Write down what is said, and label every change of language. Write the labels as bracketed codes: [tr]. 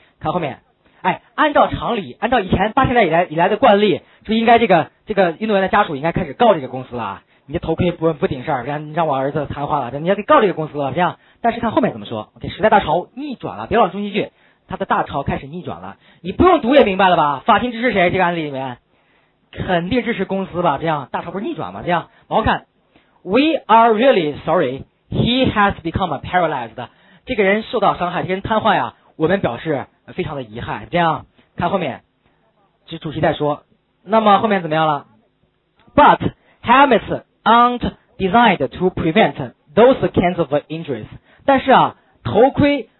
[zh] 看后面，哎，按照常理，按照以前八十年代以来的惯例，就应该这个运动员的家属应该开始告这个公司了。你的头盔不顶事儿，让我儿子瘫痪了，你要得告这个公司了，这样。但是看后面怎么说 ？OK， 时代大潮逆转了，别老中心句。他的大潮开始逆转了，你不用读也明白了吧？法庭支持谁？这个案例里面肯定支持公司吧？这样大潮不是逆转吗？这样往后看 [en] ，We are really sorry he has become paralyzed。 [zh] 这个人受到伤害，这个人瘫痪呀，我们表示非常的遗憾。这样看后面，这主席再说。那么后面怎么样了 [en] ？But helmets aren't designed to prevent those kinds of injuries。 [zh] 但是啊，头盔。